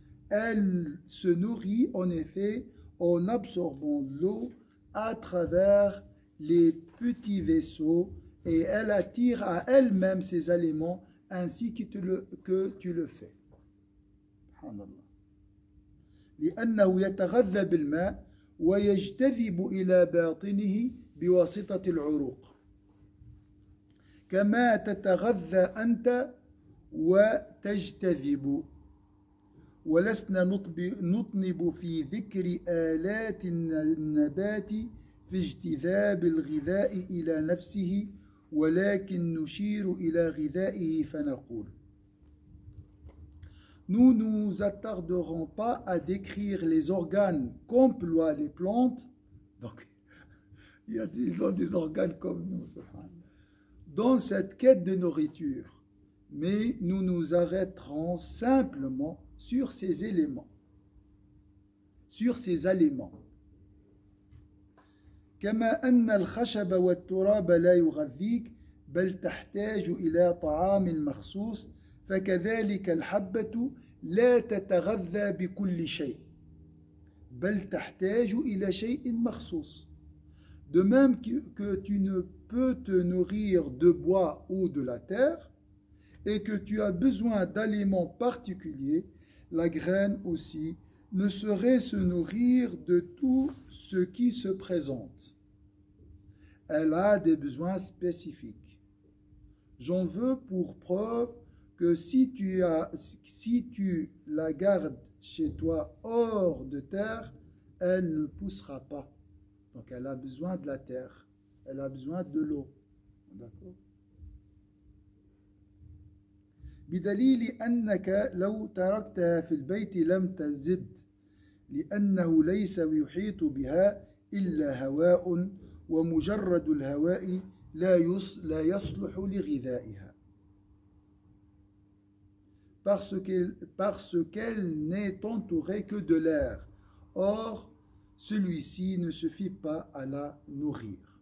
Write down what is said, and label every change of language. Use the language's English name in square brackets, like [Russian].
[French] Elle se nourrit en effet en absorbant l'eau à travers les petits vaisseaux et elle attire à elle-même ses aliments ainsi que tu le fais. [Arabic] Subhanallah. لِأَنَّهُ يَتَغَذَّ بِالْمَاءِ وَيَجْتَذِبُ إِلَى بَاطِنِهِ بواسطة العروق كما تتغذى أنت وتجتذب. ولسنا نطنب في ذكر آلات النبات في اجتذاب الغذاء إلى نفسه ولكن نشير إلى غذائه فنقول. [French] Nous ne nous attarderons pas à décrire les organes qu'emploient les plantes. Donc ils ont des organes comme nous, dans cette quête de nourriture, mais nous nous arrêterons simplement sur ces éléments, sur ces aliments. [Arabic] كما أن الخشب والتراب لا يغذيك بل تحتاج إلى طعام مخصوص فكذلك الحبة لا تتغذى بكل شيء بل تحتاج إلى شيء مخصوص. [French] De même que tu ne peux te nourrir de bois ou de la terre, et que tu as besoin d'aliments particuliers, la graine aussi ne saurait se nourrir de tout ce qui se présente. Elle a des besoins spécifiques. J'en veux pour preuve que si tu la gardes chez toi hors de terre, elle ne poussera pas. Donc elle a besoin de la terre, elle a besoin de l'eau. D'accord. [Arabic] بدليل أنك لو تركتها في البيت لم تزد لأنه ليس يحيط بها إلا هواء ومجرد الهواء لا يصلح لغذائها. [French] Parce qu'elle n'est entourée que de l'air. Or, celui-ci ne suffit pas à la nourrir.